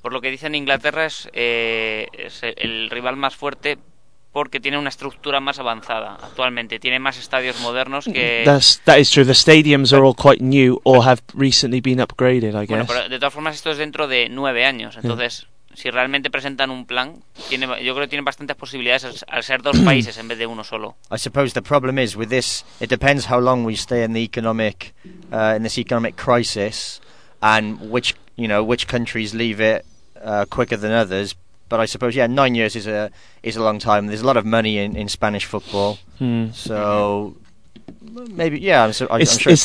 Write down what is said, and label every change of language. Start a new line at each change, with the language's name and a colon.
Spanish: Por lo que dicen, Inglaterra es el rival más fuerte porque tiene una estructura más avanzada actualmente. Tiene más estadios modernos que.
English: That is true. The stadiums are all quite new or have recently been upgraded, I guess.
Spanish: Bueno, pero de todas formas, esto es dentro de 9 años, entonces. Yeah. Si realmente presentan un plan, yo creo que tienen bastantes posibilidades al ser dos países en vez de uno solo.
English: I suppose the problem is with this, it depends how long we stay in the economic in this economic crisis and which countries leave it quicker than others, but I suppose 9 years is a long time. There's a lot of money in Spanish football. So maybe I'm sure it's